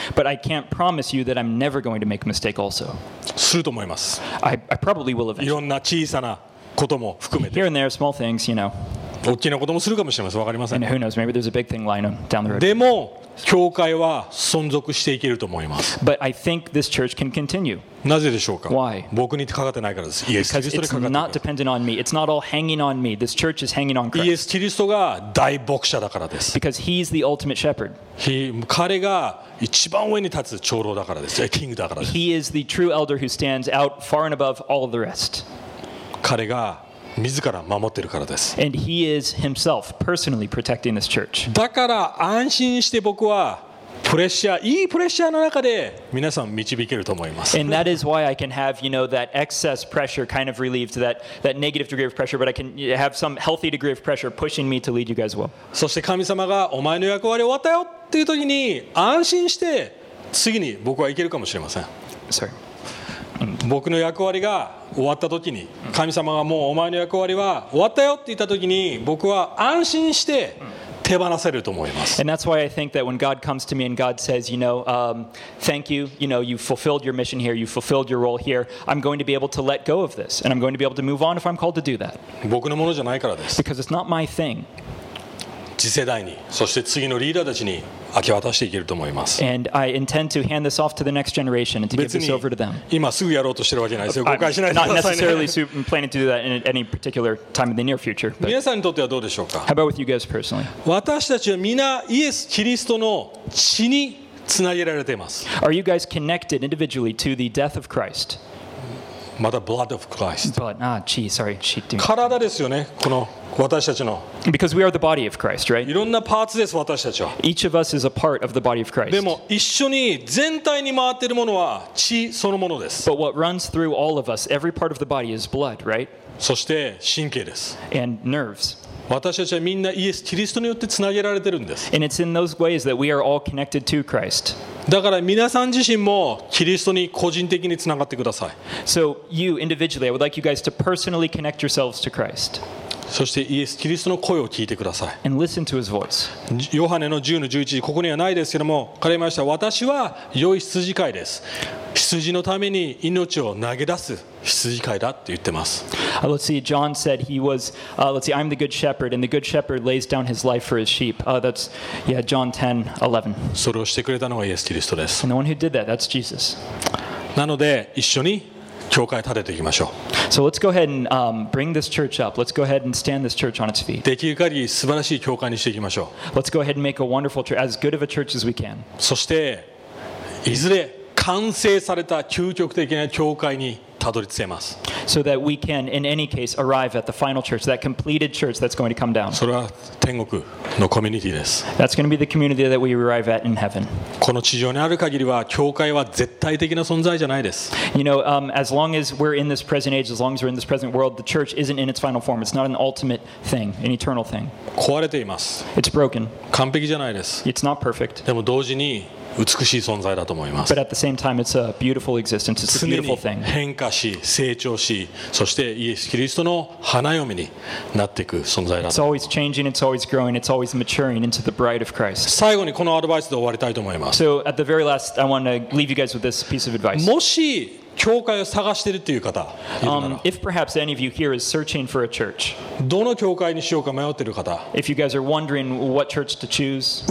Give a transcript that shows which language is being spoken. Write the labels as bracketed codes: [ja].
[en] But I can't promise you that I'm never going to make a mistake also. [ja] すると思います。 [en] I probably will eventually. [ja] いろんな小さなことも含めて。 [en] Here and there, small things, you know. [ja] 大きなこともするかもしれません。わかりません。 [en] And who knows, maybe there's a big thing lying down the road. [ja] でも教会は存続していけると思います。 [en] But I think this church can continue. [ja] なぜでしょうか。 [en] Why? [ja] 僕にかかってないからです。イエス・キリストにかかってない。 [en] It's not dependent on me. It's not all hanging on me. This church is hanging on Christ. [ja] イエス・キリストが大牧者だからです。 [en] Because he's the ultimate shepherd. [ja] 彼が一番上に立つ長老だからです。キングだからです。 [en] He is the true elder who stands out far and above all the rest. [ja] 彼が自ら守ってるからです。 [en] And he is himself personally protecting this church. [ja] だから安心して僕はプレッシャー、いいプレッシャーの中で皆さん導けると思います。 [en] And that is why I can have, you know, that excess pressure kind of relieved, that negative degree of pressure, but I can have some healthy degree of pressure pushing me to lead you guys well. [ja] そして神様がお前の役割終わったよっていう時に安心して次に僕は行けるかもしれません。 [en] Sorry. [ja] 僕の役割が終わったときに、神様がもうお前の役割は終わったよって言ったときに、僕は安心して手放せると思います。 [en] And that's why I think that when God comes to me and God says, you know, thank you, you know, you fulfilled your mission here, you fulfilled your role here, I'm going to be able to let go of this, and I'm going to be able to move on if I'm called to do that. [ja] 僕のものじゃないからです。 [en] Because it's not my thing. [ja] 次世代に、そして次のリーダーたちに、明け渡していけると思います。 [en] And I intend to hand this off to the next generation and to give this over to them. [ja] 今すぐやろうとしてるわけないですよ。誤解しないでくださいね。 [en] Not necessarily planning to do that in any particular time in the near future. [ja] 皆さんにとってはどうでしょうか？ [en] How about with you guys personally? [ja] 私たちは皆イエス・キリストの血につなげられています。 [en] Are you guys connected individually to the death of Christ? [ja] まだ [en] blood of Christ。 But ah, gee, sorry, she didn't. [ja] 体ですよね、この私たちの。 [en] Because we are the body of Christ, right? [ja] いろんなパーツです、私たちは。 [en] Each of us is a part of the body of Christ. [ja] でも一緒に全体に回っているものは血そのものです。 [en] But what runs through all of us, every part of the body is blood, right? [ja] そして神経です。 [en] And nerves. [ja] 私たちはみんなイエス・キリストによってつなげられてるんです。 [en] And it's in those ways that we are all connected to Christ. [ja] だから皆さん自身もキリストに個人的につながってください。 [en] So you individually, I would like you guys to personally connect yourselves to Christ. [ja] そしてイエス・キリストの声を聞いてください。 [en] And listen to his voice. [ja] ヨハネの10の11、ここにはないですけども、彼言いました、私は良い羊飼いです。羊のために命を投げ出す。 [en] Let's see. John said he was. Let's see. I'm the good shepherd, and the good shepherd lays down his life for his sheep. That's John 10:11. [ja] それをしてくれたのがイエス・キリストです。 [en] And the one who did that, that's Jesus. [ja] なので一緒に教会立てていきましょう。 [en] So let's go ahead and bring this church up. Let's go ahead and stand this church on its feet. [ja] できる限り素晴らしい教会にしていきましょう。 [en] Let's go ahead and make a wonderful church, as good of a church as we can. [ja] そしていずれ完成された究極的な教会に。 [en] So that we can, in any case, arrive at the final church, that completed church that's going to come down. [ja] それは天国のコミュニティです。 [en] That's going to be the community that we arrive at in heaven. [ja] この地上にある限りは教会は絶対的な存在じゃないです。 [en] You know, as long as we're in this present age, as long as we're in this present world, the church isn't in its final form. It's not an ultimate thing, an eternal thing. [ja] 壊れています。 [en] It's broken. [ja] 完璧じゃないです。 [en] It's not perfect. [ja] でも同時に美しい存在だと思います。 [en] But at the same time, it's a beautiful existence. It's a beautiful thing. [ja] 変化し、成長し、そしてイエス・キリストの花嫁になっていく存在だと思います。 [en] It's always changing. It's always growing. It's always maturing into the bride of Christ. [ja] 最後にこのアドバイスで終わりたいと思います。 [en] So at the very last, I want to leave you guys with this piece of advice. [ja] もし教会を探しているという方いるなら、 [en] if perhaps any of you here is searching for a church, [ja] どの教会にしようか迷っている方、 [en] if you guys are wondering what church to choose,